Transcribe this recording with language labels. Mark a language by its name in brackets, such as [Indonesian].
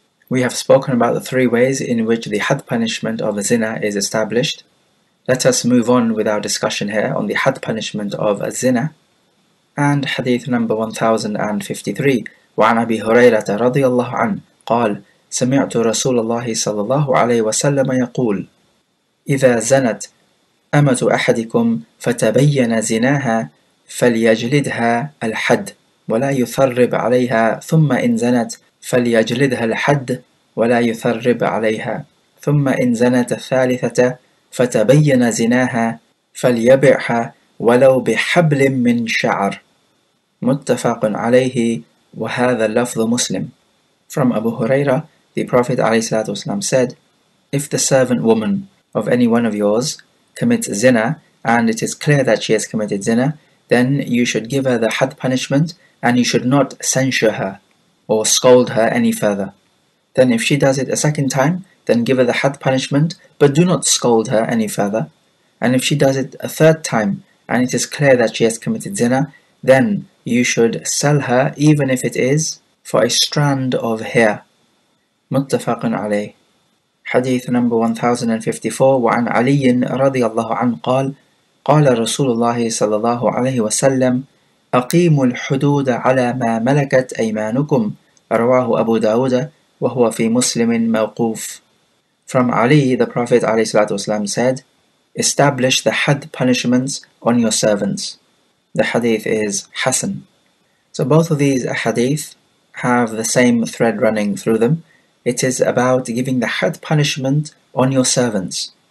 [English] We have spoken about the three ways in which the had punishment of zina is established. Let us move on with our discussion here on the had punishment of zina. And hadith number 1053, [Arabic] وعن أبي هريرة رضي الله عنه قال سمعت رسول الله صلى الله عليه وسلم يقول إذا زنت أمة أحدكم فتبين زناها فليجلدها الحد ولا يثرب عليها ثم إن زنت فليجلدها الحد ولا يثرب عليها ثم إن زنت الثالثة فتبين زناها فليبعها ولو بحبل من شعر متفق عليه وهذا اللفظ مسلم. [English] From Abu Huraira, the Prophet ﷺ said, if the servant woman of any one of yours commits zina and it is clear that she has committed zina, then you should give her the had punishment and you should not censure her or scold her any further. Then if she does it a second time, then give her the had punishment, but do not scold her any further. And if she does it a third time, and it is clear that she has committed zina, then you should sell her, even if it is, for a strand of hair. Muttafaqun alayh. Hadith number 1054, [Arabic] وعن علي رضي الله عنه قال قال رسول الله صلى الله عليه وسلم أقيموا الحدود على ما ملكت أيمانكم رواه أبو داود وهو في مسلم موقوف. [English] From Ali, the Prophet ﷺ said, establish the had punishments on your servants. The hadith is Hasan. So both of these hadith have the same thread running through them. It is about giving the had punishment on your servants.